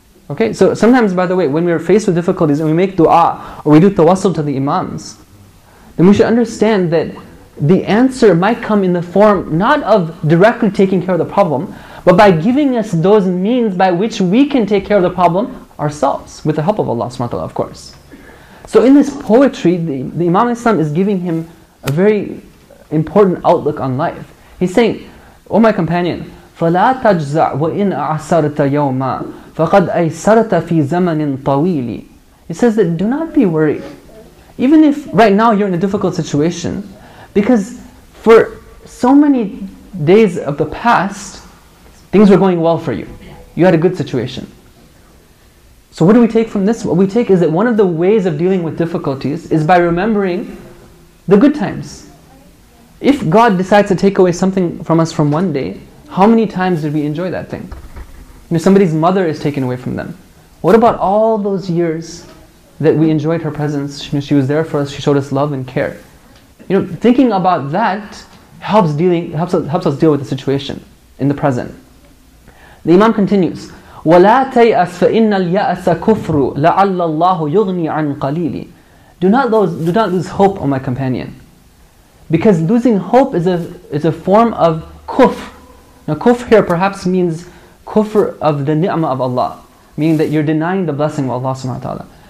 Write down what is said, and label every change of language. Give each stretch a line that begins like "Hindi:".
English: Okay, so sometimes, by the way, when we're faced with difficulties and we make dua or we do tawassul to the imams, then we should understand that the answer might come in the form not of directly taking care of the problem, but by giving us those means by which we can take care of the problem ourselves, with the help of Allah subhanahu wa ta'ala, of course. So in this poetry, the Imam Islam is giving him a very important outlook on life. He's saying, "Oh my companion,
Arabic: فَلَا تَجْزَعْ وَإِنْ أَعْسَرْتَ يَوْمًا فَقَدْ أَيْسَرَتَ فِي زَمَنٍ طَوِيلٍ."
English: He says that do not be worried. Even if right now you're in a difficult situation, because for so many days of the past, things were going well for you. You had a good situation. So what do we take from this? What we take is that one of the ways of dealing with difficulties is by remembering the good times. If God decides to take away something from us from one day, how many times did we enjoy that thing? You know, somebody's mother is taken away from them. What about all those years that we enjoyed her presence? You know, she was there for us, she showed us love and care. You know, thinking about that helps us deal with the situation in the present. The Imam continues,
Arabic: وَلَا تَيْأَسْ فَإِنَّ الْيَأْسَ كُفْرُ لَعَلَّ اللَّهُ يُغْنِي عَنْ قَلِيلِ.
English: Do not lose hope, O my companion. Because losing hope is a form of kufr. Now kufr here perhaps means kufr of the ni'mah of Allah, meaning that you're denying the blessing of Allah subhanahu wa ta'ala.